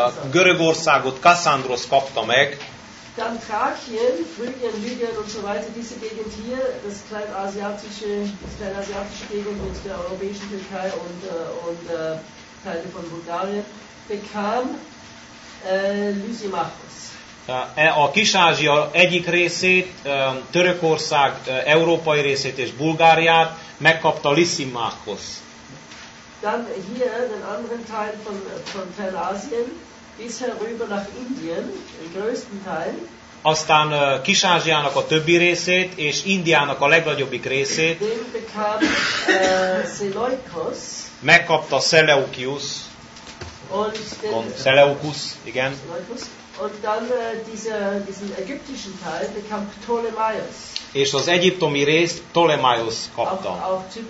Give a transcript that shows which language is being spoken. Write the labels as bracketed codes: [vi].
[hu] Görögországot Kassandros kapta meg. [de] Dann Thrakien, Phrygien, Lydien und so weiter, diese Gegend hier, das kleinasiatische, Gegend mit der europäischen Türkei und Teile von Bulgarien, bekam Lysimachos. [hu] A Kis-Ázsia egyik részét, Törökország európai részét és Bulgáriát megkapta Lysimachos. [de] Dann hier den anderen Teil von Kleinasien bis herüber nach Indien, den größten Teil. [hu] Aztán Kis-Ázsiának a többi részét és Indiának a legnagyobbik részét. [de] Den bekam Seleukos. [hu] Megkapta Seleukius. [de] Und [hu] Seleukus, igen. [de] Und dann diesen ägyptischen Teil bekam Ptolemaios. [hu] És az egyiptomi részt Ptolemaios kapta.